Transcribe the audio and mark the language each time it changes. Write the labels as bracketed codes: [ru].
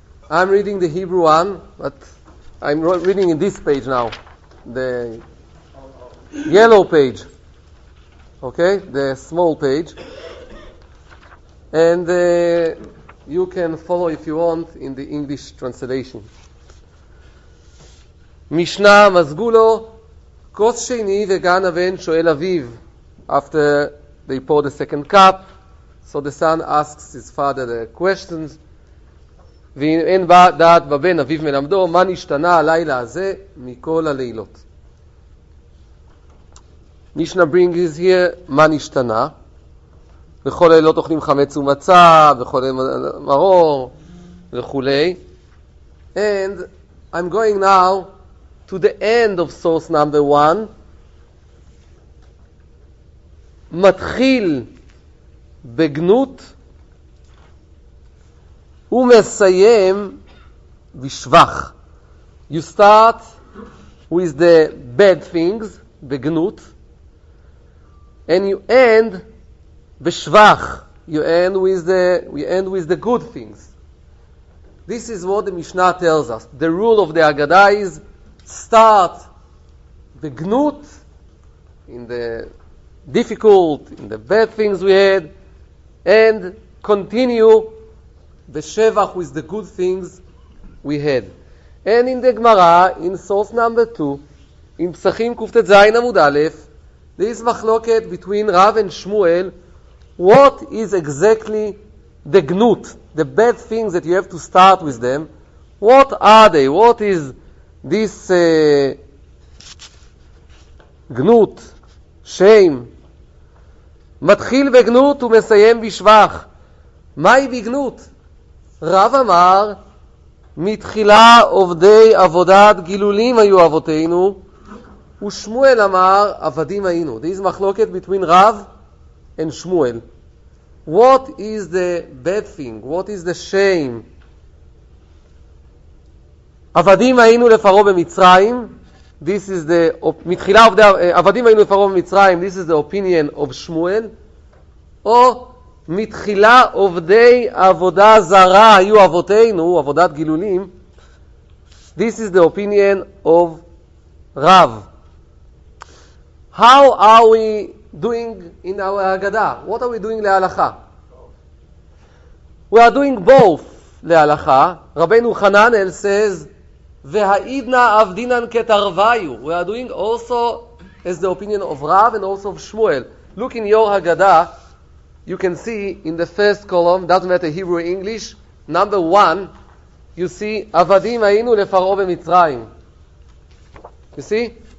[en] I'm reading the Hebrew one, but I'm reading in this page now, the yellow page, okay, the small page, and you can follow if you want in the English translation. [he] Mishnah Mazgulo, Kos Sheini Vegan Aven Shoel Aviv, [en] after they pour the second cup, so the son asks his father the questions. [he] ואין בה דעת בבן אביו מלמדו מה נשתנה הלילה הזה מכל הלילות. מישנה [en] ברינגז היר, [he] מה נשתנה? בכל לילות אוכלים חמץ ומצה, בכל מרור וכולי. [en] And I'm going now to the end of source number one. [he] מתחיל בגנות ומסיים בשבח. [en] You start with the bad things, בגנות, and you end בשבח. You end with the good things. This is what the Mishnah tells us. The rule of the Haggadah is start בגנות, in the difficult, in the bad things we had, and continue בשבח with the good things we had. And in the Gemara, in source number 2, in פסחים קופתת זין עמוד א', this מחלוקת between רב and שמואל, what is exactly the גנות, the bad things that you have to start with them, what are they, what is this גנות, shame, [he] מתחיל בגנות ומסיים בשבח, מהי בגנות? רב אמר, מתחילה עובדי עבודת גילולים היו אבותינו, ושמואל אמר, עבדים היינו. [en] This מחלוקת between רב and שמואל. What is the bad thing? What is the shame? [he] עבדים היינו לפרעה במצרים. [en] This is the [he] מתחילה עובדי עבדים היינו לפרעה במצרים. [en] This is the opinion of שמואל. [he] או מתחילה עובדי עבודה זרה היו אבותינו, עבודת גילולים. [en] This is the opinion of רב. How are we doing in our Haggadah? What are we doing להלכה? We are doing both להלכה. [he] רבנו חננאל says, והעידנה עבדינן כתרוויו. [en] We are doing also as the opinion of Rav and also of Shmuel. Look in your Haggadah, you can see in the first column, doesn't matter Hebrew or English, number one, you see, [he] עבדים היינו לפרעה במצרים. [en] You see?